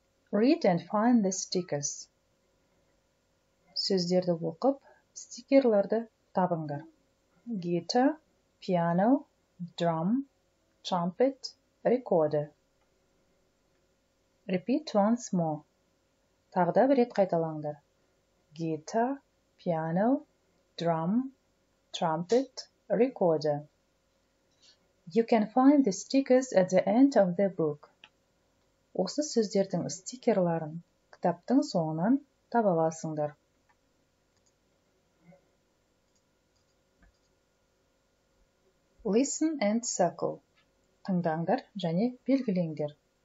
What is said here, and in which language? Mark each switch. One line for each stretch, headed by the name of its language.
English: Read and find the stickers.
Kazakh: Сөздерді оқып, стикерлерді табыңдар.
English: Guitar, piano, drum, trumpet, recorder. Repeat once more.
Kazakh: Тағы да бір рет қайталаңдар.
English: Guitar, piano, drum, trumpet, recorder. You can find the stickers at the end of the book.
Kazakh: Осы сөздердің стикерларын кітаптың соңынан таба аласыңдар.
English: Listen and circle.
Kazakh: Тыңдаңдар және белгілеңдер.